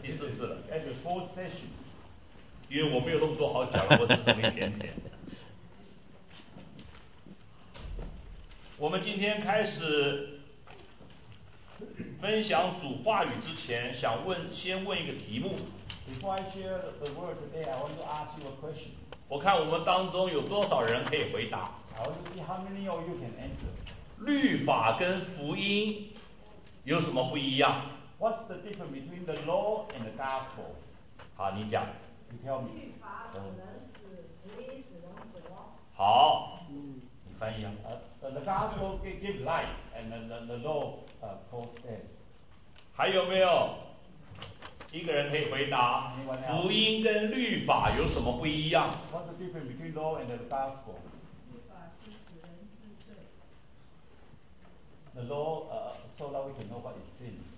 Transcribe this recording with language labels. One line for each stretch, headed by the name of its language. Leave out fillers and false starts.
Chinese: 第四次了，应该是
English: four sessions。
Chinese: 因为我没有那么多好讲了，我只懂一点点。我们今天开始分享主话语之前，想问先问一个题目。
English: Before I share the word today, I want to ask you a question.
Chinese: 我看我们当中有多少人可以回答。
English: I want to see how many of you can answer.
Chinese: 律法跟福音有什么不一样？
English: What's the difference between the law and the gospel?
Chinese: 好，你讲。
English: You tell me.
Chinese: 律法使人死，福音使人活。好。嗯。你翻译啊。
English: The gospel gives life, and the law causes death.
Chinese: 还有没有？一个人可以回答，福音跟律法有什么不一样？
English: What's the difference between law and the gospel?
Chinese: 律法是使人治罪。
English: The law, so that we can know what is sin.